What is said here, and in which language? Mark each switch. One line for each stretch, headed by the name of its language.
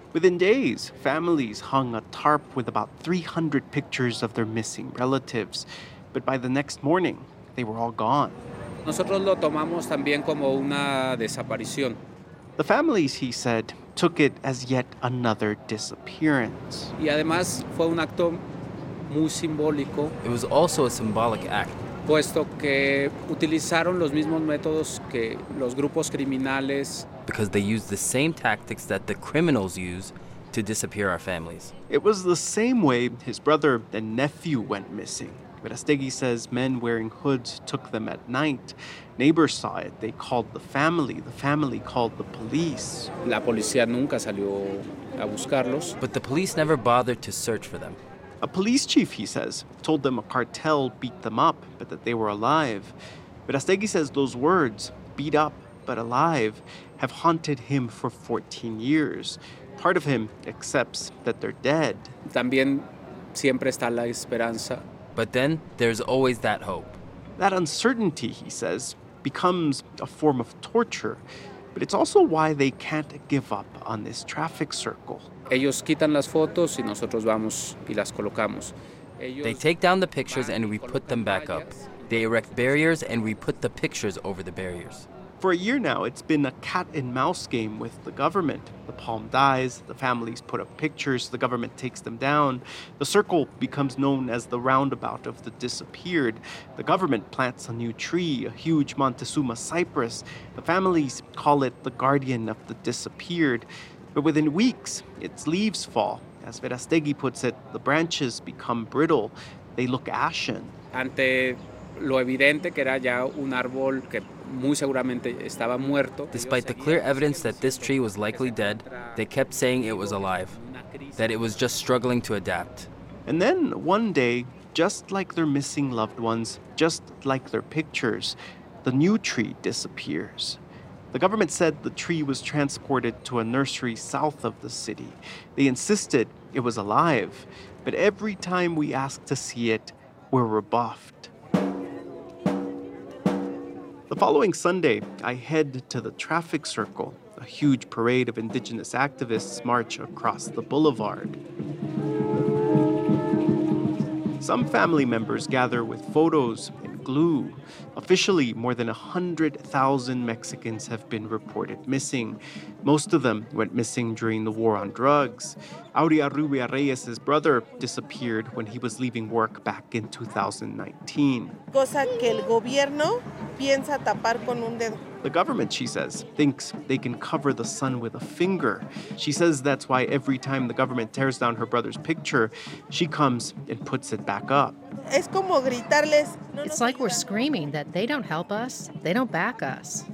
English: Within days, families hung a tarp with about 300 pictures of their missing relatives. But by the next morning, they were all gone.
Spanish: Nosotros lo tomamos también como una desaparición.
English: The families, he said, took it as yet another disappearance.
Spanish: Y además fue un acto.
English: It was also a symbolic act.
Spanish: Puesto que utilizaron los mismos métodos que los grupos criminales.
English: Because they used the same tactics that the criminals use to disappear our families. It was the same way his brother and nephew went missing. Verastegui says men wearing hoods took them at night. Neighbors saw it. They called the family. The family called the police.
Spanish: La policía nunca salió a buscarlos.
English: But the police never bothered to search for them. A police chief, he says, told them a cartel beat them up, but that they were alive. Verastegui says those words, beat up, but alive, have haunted him for 14 years. Part of him accepts that they're dead.
Spanish: También siempre está la esperanza.
English: But then there's always that hope. That uncertainty, he says, becomes a form of torture. But it's also why they can't give up on this traffic circle.
Spanish: Ellos quitan las fotos y nosotros vamos y las colocamos.
English: They take down the pictures and we put them back up. They erect barriers and we put the pictures over the barriers. For a year now, it's been a cat and mouse game with the government. The palm dies, the families put up pictures, the government takes them down. The circle becomes known as the roundabout of the disappeared. The government plants a new tree, a huge Montezuma cypress. The families call it the guardian of the disappeared. But within weeks, its leaves fall. As Verastegui puts it, the branches become brittle. They look ashen.
Spanish: Ante lo evidente que era ya un árbol que muy seguramente estaba muerto.
English: Despite the clear evidence that this tree was likely dead, they kept saying it was alive, that it was just struggling to adapt. And then one day, just like their missing loved ones, just like their pictures, the new tree disappears. The government said the tree was transported to a nursery south of the city. They insisted it was alive, but every time we ask to see it, we're rebuffed. The following Sunday, I head to the traffic circle. A huge parade of indigenous activists march across the boulevard. Some family members gather with photos and glue. Officially, more than 100,000 Mexicans have been reported missing. Most of them went missing during the war on drugs. Aurea Rubia Reyes' brother disappeared when he was leaving work back in 2019.
Spanish: Cosa que el gobierno piensa tapar con un dedo.
English: The government, she says, thinks they can cover the sun with a finger. She says that's why every time the government tears down her brother's picture, she comes and puts it back up.
Spanish: Es como gritarles,
English: no, it's like we're screaming that they don't help us, they don't back us.